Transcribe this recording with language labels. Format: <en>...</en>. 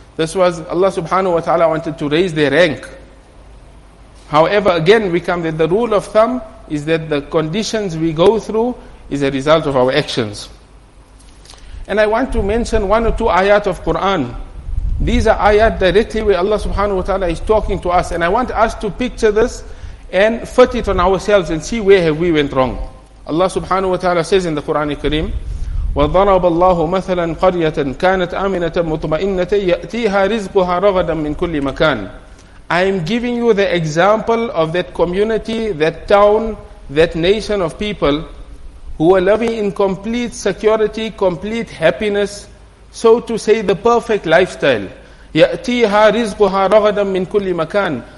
<en>This was, Allah subhanahu wa ta'ala wanted to raise their rank. However, again, we come that the rule of thumb is that the conditions we go through is a result of our actions. And I want to mention one or two ayat of Quran. These are ayat directly where Allah subhanahu wa ta'ala is talking to us. And I want us to picture this and fit it on ourselves and see where have we went wrong. Allah subhanahu wa ta'ala says in the Quran al-Kareem,</en> <ar>وَضَرَبَ اللَّهُ مَثَلًا قَرْيَةً كَانَتْ آمِنَةً مُطْمَئِنَّةً يَأْتِيهَا رِزْقُهَا رَغَدًا مِّن كُلِّ مَكَانٍ.</ar> <en>I am giving you the example of that community, that town, that nation of people who are living in complete security, complete happiness, so to say, the perfect lifestyle.</en> <ar>يَأْتِيهَا رِزْقُهَا رَغَدًا مِّن كُلِّ مَكَانٍ.</ar>